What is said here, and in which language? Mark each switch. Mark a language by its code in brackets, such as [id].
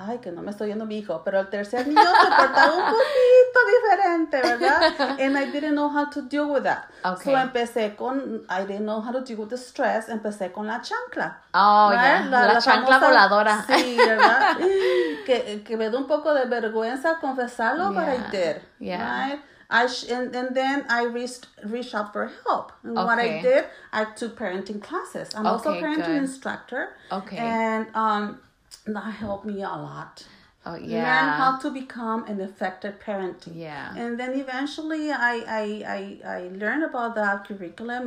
[es] Ay, que no me estoy yendo mi hijo. Pero el tercer niño se portaba un poquito diferente, ¿verdad? [en] And I didn't know how to deal with that. Okay. So [es] empecé con, [en] I didn't know how to deal with the stress. [es] Empecé con la chancla. Oh, ¿verdad? Yeah. La chancla famosa, voladora. Sí, ¿verdad? que me dio un poco de vergüenza confesarlo para ir. [en] Yeah. Right? And then I reached out for help. And what I did, I took parenting classes. I'm also a parenting instructor. Okay. And that helped me a lot. Oh, yeah. Learn how to become an effective parent. Yeah. And then eventually I learned about that curriculum.